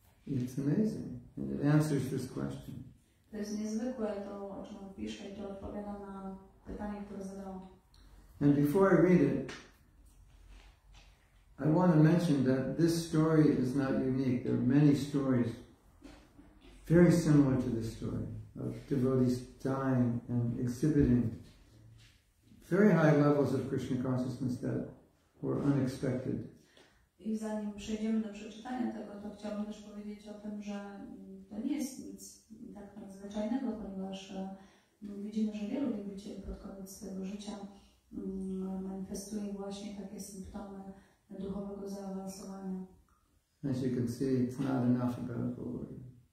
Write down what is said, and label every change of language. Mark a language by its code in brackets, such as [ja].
[en] It's amazing. And it answers this question. And before I read it, I want to mention that this story is not unique. There are many stories very similar to this story of devotees dying and exhibiting very high levels of Krishna consciousness that were unexpected. [pl] I zanim przejdziemy do przeczytania tego, to chciałabym też powiedzieć o tym, że to nie jest nic tak nadzwyczajnego, ponieważ widzimy, że wielu wielbicieli pod koniec swojego życia manifestuje właśnie takie symptomy duchowego zaawansowania. [en] As you can see, it's not enough about the glory.